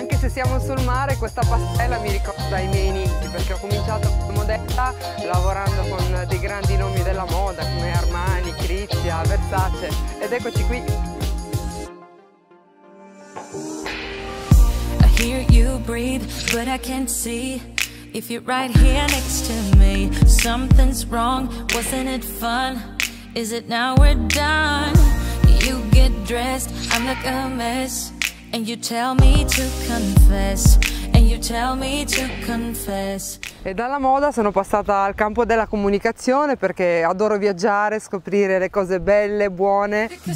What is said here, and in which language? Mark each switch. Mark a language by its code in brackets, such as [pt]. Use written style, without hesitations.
[it] siamo sul mare, questa pastella mi ricorda i miei inizi, perché ho cominciato come modella lavorando con dei grandi nomi della moda come Armani, Crizia, Versace, ed eccoci qui. [en] I hear you breathe, but I can't see. If you're right here next to me, something's wrong, wasn't it fun? Is it now we're done? You get dressed, I'm like a mess. And you tell me to confess. And you tell me to confess. [it] E dalla moda sono passata al campo della comunicazione perché adoro viaggiare, scoprire le cose belle, buone.